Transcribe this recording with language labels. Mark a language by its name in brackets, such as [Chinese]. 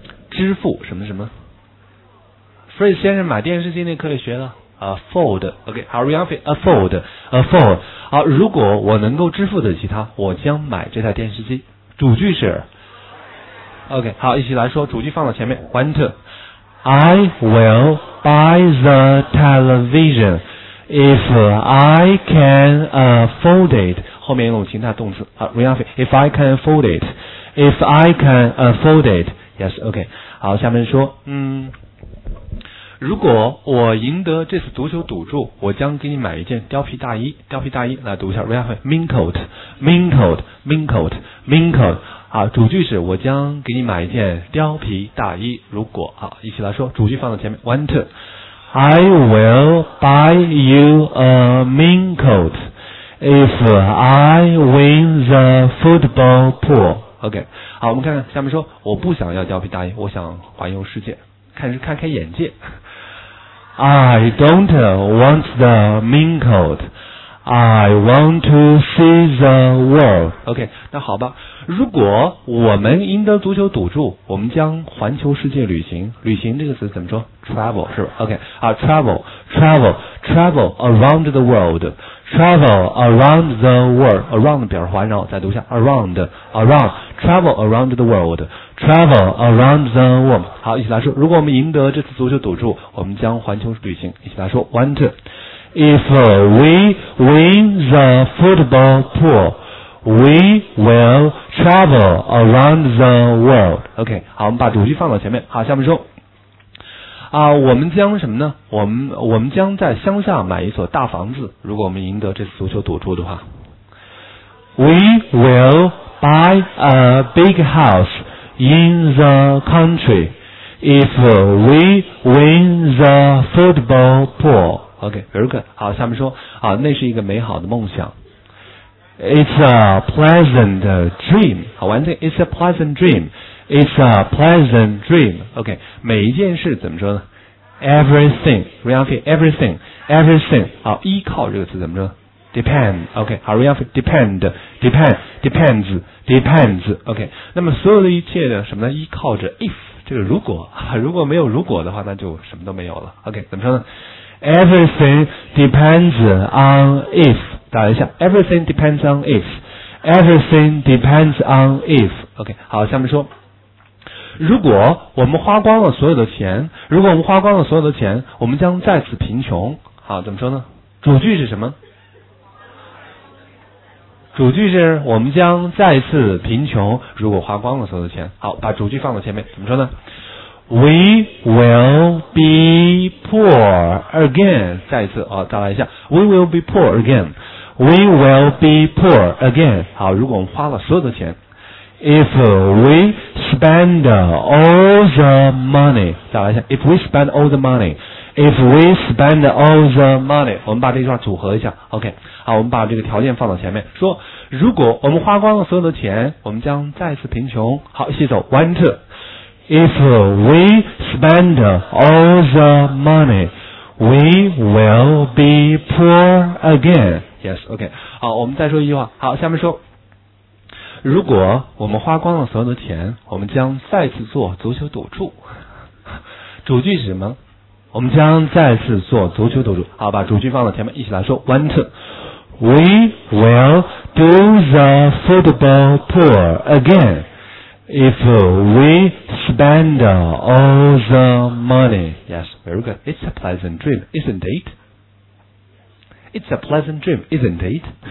[Chinese] 支付什么什么 Fred 先生买电视机那课里学了Afford OK 好 Ryan Fei Afford Afford 好如果我能够支付得起它我将买这台电视机主句是 OK 好一起来说主句放到前面 [English] One two I will buy the television if I can afford it [Chinese] 后面一种情态动词好 Ryan Fei [English] If I can afford it If I can afford it [Chinese] Yes OK 好下面说如果我赢得这次足球赌注，我将给你买一件貂皮大衣。貂皮大衣，来读一下 [English] ，Ryan Fei mink coat, mink coat, mink coat, mink coat。 [Chinese] 好，主句是我将给你买一件貂皮大衣。如果好，一起来说，主句放在前面。 [English] One two, I will buy you a mink coat if I win the football pool. [Chinese] OK， 好，我们看看下面说，我不想要貂皮大衣，我想环游世界，看是开开眼界。 [English] I don't want the mink coat. I want to see the world. [Chinese] OK, 那好吧。如果我们赢得足球赌注，我们将环球世界旅行。旅行这个词怎么说 [English] ？Travel 是吧 ？OK, 啊 ，travel, travel, travel around the world. Travel around the world. [Chinese] Around 表示环绕，再读一下 around, around. [English] Travel around the world. Travel around the world. [Chinese] 好，一起来说。如果我们赢得这次足球赌注，我们将环球旅行。一起来说 ， [English] one two. If we win the football pool, we will travel around the world. [Chinese] OK， 好，我们把主句放到前面。好，下面说。我们将什么呢？我们将在乡下买一所大房子。如果我们赢得这次足球赌注的话 [English] ，we will buy a big house. In the country, if we win the football pool. OK, very good. 好，下面说，好，那是一个美好的梦想。 It's a pleasant dream. [Chinese] 好，完成。 [English] It's a pleasant dream. It's a pleasant dream. [Chinese] OK, 每一件事怎么说呢 [English] ？Everything. Ryan Fei, everything, everything. [Chinese] 好，依靠这个词怎么说 ？Depend. [English] OK, 好 ，Ryan Fei, depend, depend, depends. Depends, OK. [Chinese] 那么所有的一切的什么呢？依靠着 if 这个如果，如果没有如果的话，那就什么都没有了。 OK, 怎么说呢 [English] ？Everything depends on if. [Chinese] 打一下 [English] ，Everything depends on if. Everything depends on if. [Chinese] OK, 好，下面说，如果我们花光了所有的钱，如果我们花光了所有的钱，我们将再次贫穷。好，怎么说呢？主句是什么？主句是我们将再次贫穷如果花光了所有的钱。好，把主句放到前面，怎么说呢？ [English] We will be poor again. [Chinese] 再一次、哦、再来一下。 [English] We will be poor again. We will be poor again. [Chinese] 好，如果我们花了所有的钱。 [English] If we spend all the money. 再来一下。If we spend all the money. If we spend all the money, [Chinese] 我们把这句话组合一下 ,OK, 好，我们把这个条件放到前面，说如果我们花光了所有的钱，我们将再次贫穷。好，一起走 , [English] one, two. If we spend all the money, we will be poor again. [Chinese] Yes, OK, 好，我们再说一句话。好，下面说，如果我们花光了所有的钱，我们将再次做足球赌注。主句是什么？我们将再次做足球赌注。好，把主句放到前面，一起来说 , [English] one, two. We will do the football pool again if we spend all the money. Yes, very good. It's a pleasant dream, isn't it? It's a pleasant dream, isn't it?